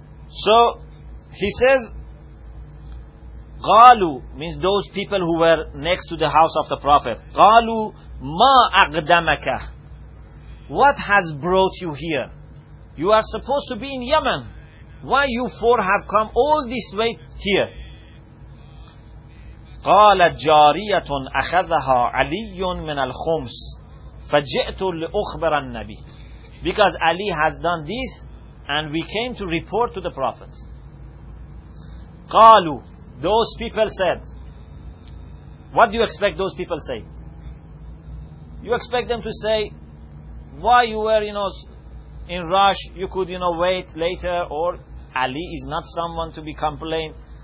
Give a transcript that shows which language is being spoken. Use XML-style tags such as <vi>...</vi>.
<en>So he says, Galu means those people who were next to the house of the Prophet.</en> <ar>Galu ma aqdamaka.</ar> <en>What has brought you here? You are supposed to be in Yemen. Why you four have come all this way here?</en> <ar>قالت جارية أخذها علي من الخمس فجئت لأخبر النبي.</ar> <en>Because Ali has done this and we came to report to the Prophet.</en> <ar>قالوا,</ar> <en>those people said. What do you expect those people say? You expect them to say, why you were, you know, in rush, you could, you know, wait later, or Ali is not someone to be complained.</en>